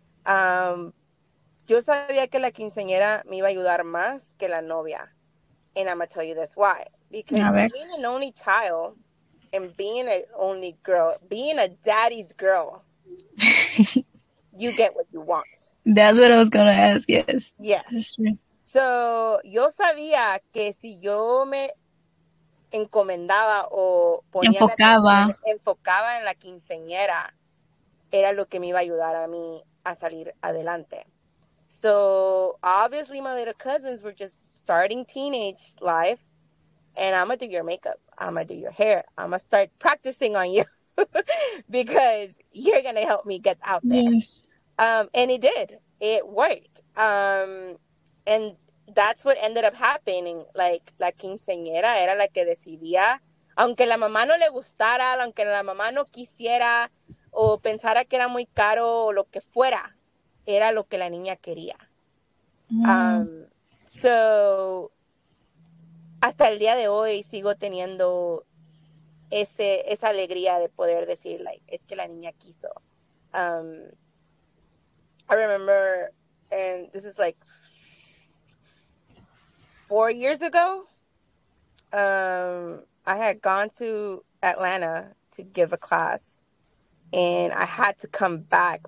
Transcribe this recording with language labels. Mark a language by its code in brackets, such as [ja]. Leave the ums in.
[es] Um, yo sabía que la quinceañera me iba a ayudar más que la novia. [en] And I'm going to tell you this why. Because a being ver. an only child and being an only girl, being a daddy's girl, you get what you want. That's what I was gonna ask. Yes. Yes. [es] So, yo sabía que si yo me encomendaba o ponía me enfocaba. En la, enfocaba en la quinceñera, era lo que me iba a ayudar a mí a salir adelante. [en] So, obviously, my little cousins were just starting teenage life, and I'm gonna do your makeup, I'm gonna do your hair, I'm gonna start practicing on you because you're gonna help me get out there. Yes. Um, and it did. It worked. Um, and that's what ended up happening. [es] Like, la quinceañera era la que decidía, aunque la mamá no le gustara, aunque la mamá no quisiera o pensara que era muy caro o lo que fuera, era lo que la niña quería. Mm -hmm. Um, so, hasta el día de hoy sigo teniendo ese, esa alegría de poder decir, like, es que la niña quiso. [en] Um, I remember, and this is like four years ago. Um, I had gone to Atlanta to give a class, and I had to come back.